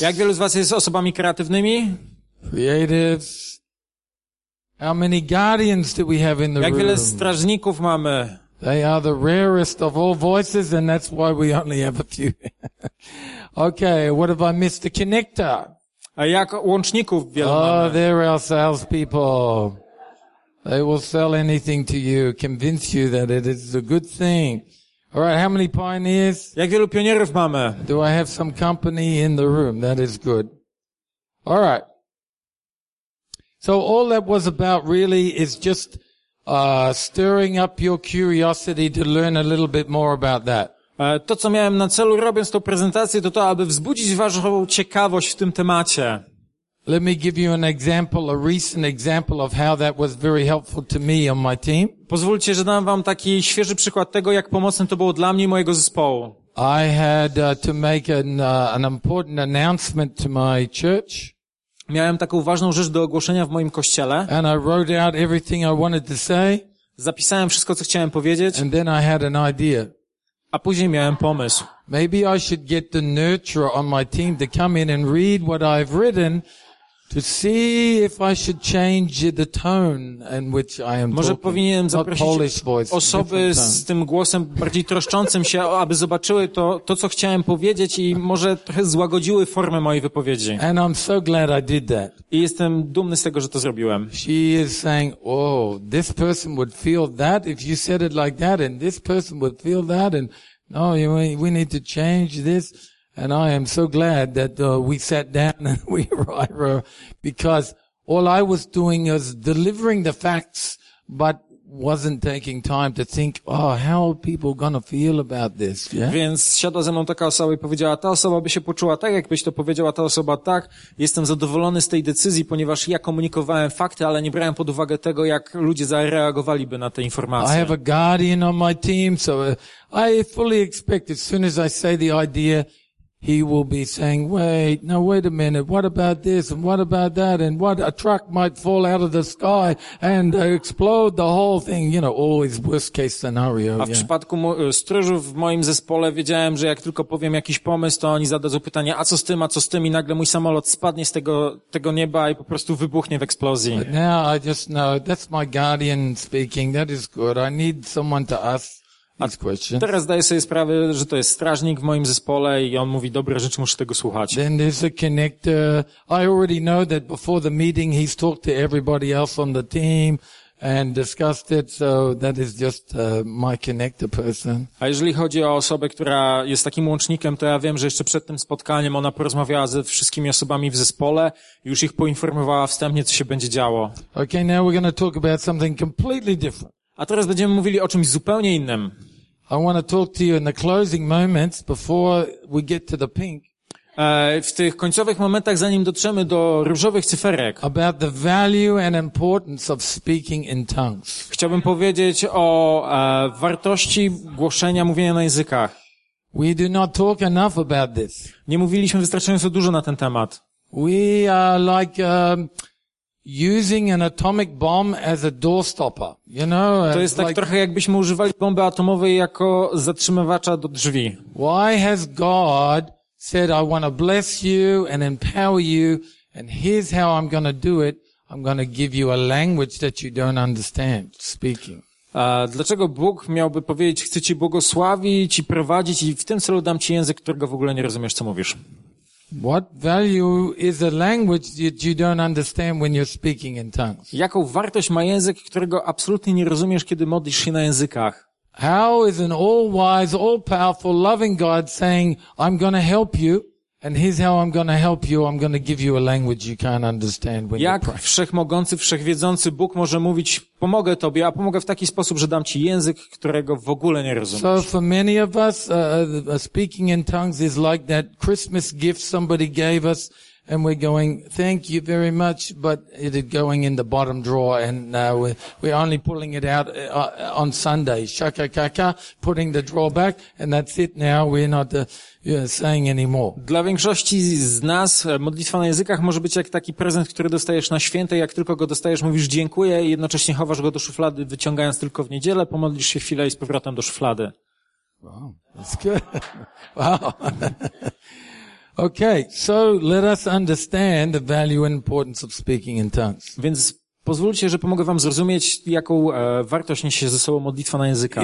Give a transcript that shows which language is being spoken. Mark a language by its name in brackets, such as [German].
[Polish] Jak wielu z was jest osobami kreatywnymi? [English] Creatives. How many guardians do we have in the room? [Polish] Jak wiele strażników mamy? [English] They are the rarest of all voices and that's why we only have a few. Okay, what have I missed? The connector. [Polish] A jak łączników wiele mamy? [English] Oh, they're our salespeople. They will sell anything to you, convince you that it is a good thing. All right, how many pioneers? [Polish] Jak wielu pionierów mamy? [English] Do I have some company in the room? That is good. All right. So all that was about really is just stirring up your curiosity to learn a little bit more about that. [Polish] To, co miałem na celu robiąc tą prezentację, to, aby wzbudzić waszą ciekawość w tym temacie. [English] Let me give you an example, a recent example of how that was very helpful to me and my team. [Polish] Pozwólcie, że dam wam taki świeży przykład tego, jak pomocne to było dla mnie i mojego zespołu. [English] I had to make an important announcement to my church. [Polish] Miałem taką ważną rzecz do ogłoszenia w moim kościele. [English] And I wrote out everything I wanted to say. [Polish] Zapisałem wszystko, co chciałem powiedzieć. [English] And then I had an idea. [Polish] A później miałem pomysł. [English] Maybe I should get the nurturer on my team to come in and read what I've written to see if I should change the tone in which I am [Polish] Może Może powinienem zaprosić [English] Polish voice, [Polish] osoby z tym głosem bardziej troszczącym się, aby zobaczyły to, co chciałem powiedzieć i może trochę złagodziły formę mojej wypowiedzi. [English] And I'm so glad I did that. [Polish] I jestem dumny z tego, że to zrobiłem. [English] She is saying, oh, this person would feel that if you said it like that and this person would feel that and no, we need to change this. And I am so glad that we sat down and we arrived because all I was doing was delivering the facts but wasn't taking time to think, oh, how are people gonna feel about this? Yeah? [Polish] Więc siadła ze mną taka osoba i powiedziała, ta osoba by się poczuła tak, jakbyś to powiedziała, ta osoba tak. Jestem zadowolony z tej decyzji, ponieważ ja komunikowałem fakty, ale nie brałem pod uwagę tego, jak ludzie zareagowaliby na te informacje. [English] I have a guardian on my team, so I fully expect as soon as I say the idea, he will be saying, wait a minute, what about this and what about that and what a truck might fall out of the sky and explode the whole thing, you know, always worst case scenario. [Polish] A w przypadku stróżów w moim zespole wiedziałem, że jak tylko powiem jakiś pomysł, to oni zadadzą pytanie, a co z tym i nagle mój samolot spadnie z tego nieba i po prostu wybuchnie w eksplozji. [English] But now I just know, that's my guardian speaking, that is good, I need someone to ask. [Polish] A teraz zdaję sobie sprawę, że to jest strażnik w moim zespole i on mówi dobre rzeczy, muszę tego słuchać. [English] Then there's a connector. I already know that before the meeting he's talked to everybody else on the team and discussed it, so that is just my connector person. [Polish] A jeżeli chodzi o osobę, która jest takim łącznikiem, to ja wiem, że jeszcze przed tym spotkaniem ona porozmawiała ze wszystkimi osobami w zespole i już ich poinformowała wstępnie, co się będzie działo. [English] Okay, now we're going to talk about something completely different. [Polish] A teraz będziemy mówili o czymś zupełnie innym. [English] I want to talk to you in the closing moments before we get to the pink. [Polish] W tych końcowych momentach, zanim dotrzemy do różowych cyferek, [English] about the value and importance of speaking in tongues. [Polish] Chciałbym powiedzieć o wartości głoszenia, mówienia na językach. [English] We do not talk enough about this. [Polish] Nie mówiliśmy wystarczająco dużo na ten temat. [English] We are like using an atomic bomb as a doorstopper, you know. [Polish] To jest tak [English] like, [Polish] trochę jakbyśmy używali bomby atomowej jako zatrzymywacza do drzwi. [English] Why has God said I want to bless you and empower you and here's how I'm going to do it. I'm going to give you a language that you don't understand speaking. [Polish] Dlaczego Bóg miałby powiedzieć, chcę ci błogosławić i prowadzić i w tym celu dam ci język, którego w ogóle nie rozumiesz, co mówisz? [English] What value is a language that you don't understand when you're speaking in tongues? [Polish] Jaką wartość ma język, którego absolutnie nie rozumiesz, kiedy modlisz się na językach? [English] How is an all-wise, all-powerful, loving God saying, I'm going to help you, and here's how I'm going to help you, I'm going to give you a language you can't understand when you pray? [Polish] Jak wszechmogący, wszechwiedzący Bóg może mówić, pomogę tobie, a pomogę w taki sposób, że dam ci język, którego w ogóle nie rozumiesz? [English] So for many of us, speaking in tongues is like that Christmas gift somebody gave us, and we're going, thank you very much, but it is going in the bottom drawer, and we're only pulling it out on Sunday. Shaka kaka, putting the drawer back, and that's it now, we're not saying anymore. [Polish] Dla większości z nas modlitwa na językach może być jak taki prezent, który dostajesz na święta, jak tylko go dostajesz, mówisz dziękuję i jednocześnie chowasz go do szuflady, wyciągając tylko w niedzielę, pomodlisz się chwilę i z powrotem do szuflady. [English] Wow, that's good. Wow. Okay, so let us understand the value and importance of speaking in tongues. [Polish] Więc pozwólcie, że pomogę wam zrozumieć, jaką wartość niesie ze sobą modlitwa na językach.